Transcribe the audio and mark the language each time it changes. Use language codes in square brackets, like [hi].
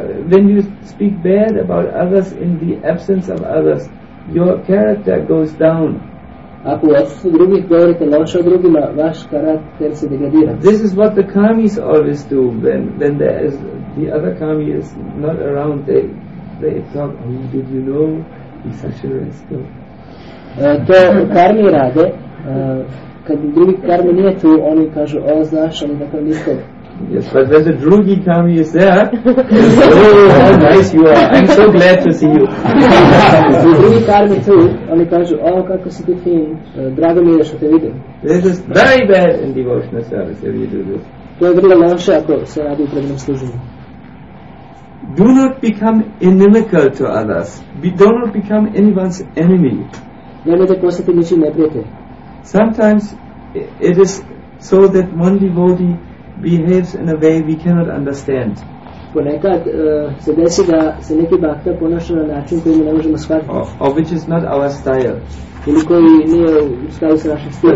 [en] When you speak bad about others in the absence of others, your character goes down. [sr] Ako u odsutnosti drugih govorite loše o drugima, vaš karakter se degradira. [en] This is what the karmis always do when there is the other karmi is not around. They talk, oh, did you know he's such a rascal. [sr] To karmi rade, kad drugi karmi nije tu, oni kažu, o, znaš, on je tako niskog. [en] Yes, but when the [sr] drugi karmi [en] is there, oh, how nice you are, I'm so glad to see you. [sr] The drugi karmi tu, oni kažu, oh, kako si ti fin, drago mi je što te vidim. [en] This is very bad in devotional service if you do this. [sr] To je vrlo loše ako se radi u prednom služenju. [en] Do not become inimical to others. Do not become anyone's enemy. [sr] Nemojte postati ničim neprijatelj. [en] Sometimes it is so that one devotee behaves in a way we cannot understand. [sr] Ponekad se desi da se neki bhakta ponaša na način koji mi ne možemo shvatiti. [en] Or which is not our style. [sr] Ili koji nije u skladu sa našim stilom.